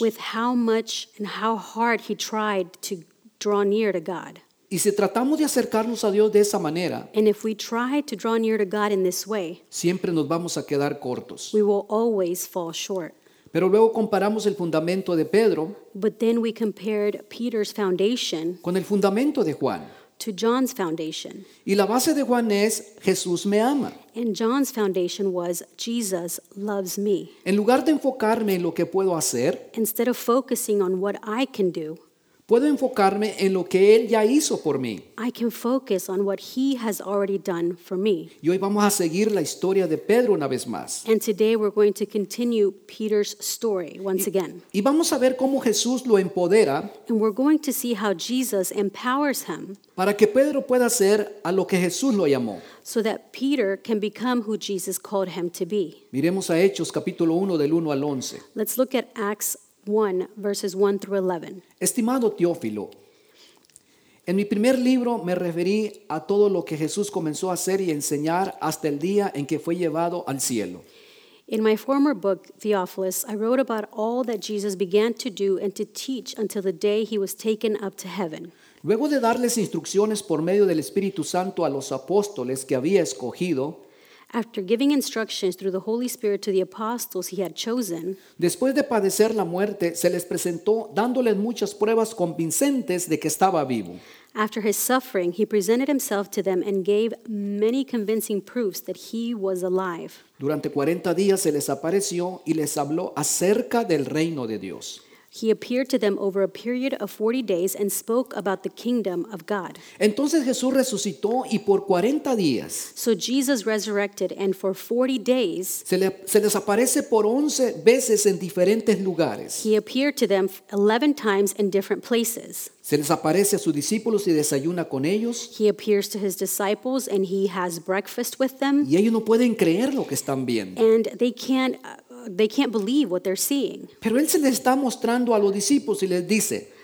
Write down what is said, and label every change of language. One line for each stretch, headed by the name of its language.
English: with how much and how hard he tried to draw near to God.
Spanish: Y si tratamos de acercarnos a Dios de esa manera,
English: and if we try to draw near to God in this way,
Spanish: siempre nos vamos a quedar cortos.
English: We will always fall short.
Spanish: Pero luego comparamos el fundamento de Pedro,
English: but then we compared Peter's foundation,
Spanish: con el fundamento de Juan,
English: to John's foundation.
Spanish: Y la base de Juan es, Jesús me ama.
English: And John's foundation was, Jesus loves me.
Spanish: En lugar de enfocarme en lo que puedo hacer,
English: instead of focusing on what I can do,
Spanish: puedo enfocarme en lo que Él ya hizo por mí.
English: I can focus on what He has already done for me.
Spanish: Y hoy vamos a seguir la historia de Pedro una vez más.
English: And today we're going to continue Peter's story once again.
Spanish: Y vamos a ver cómo Jesús lo empodera.
English: And we're going to see how Jesus empowers him.
Spanish: Para que Pedro pueda hacer a lo que Jesús lo llamó.
English: So that Peter can become who Jesus called him to be.
Spanish: Miremos a Hechos capítulo 1 del 1 al 11.
English: Let's look at Acts 1, verses 1 through 11.
Spanish: Estimado Teófilo, en mi primer libro me referí a todo lo que Jesús comenzó a hacer y enseñar hasta el día en que fue llevado al cielo.
English: In my former book, Theophilus, I wrote about all that Jesus began to do and to teach until the day he was taken up to heaven.
Spanish: Luego de darles instrucciones por medio del Espíritu Santo a los apóstoles que había escogido,
English: after giving instructions through the Holy Spirit to the apostles he had chosen,
Spanish: después de padecer la muerte, se les presentó dándoles muchas pruebas convincentes de que estaba vivo.
English: After his suffering, he presented himself to them and gave many convincing proofs that he was alive.
Spanish: Durante 40 días se les apareció y les habló acerca del reino de Dios.
English: He appeared to them over a period of 40 days and spoke about the kingdom of God.
Spanish: Entonces Jesús resucitó y por 40 días.
English: So Jesus resurrected and for 40 days.
Spanish: Se les aparece por 11 veces en diferentes lugares.
English: He appeared to them 11 times in different places.
Spanish: Se les aparece a sus discípulos y desayuna con ellos.
English: He appears to his disciples and he has breakfast with them.
Spanish: Y ellos no pueden creer lo que están viendo.
English: And they can't they can't believe what they're seeing.
Spanish: Pero él se les está mostrando a los discípulos y les dice.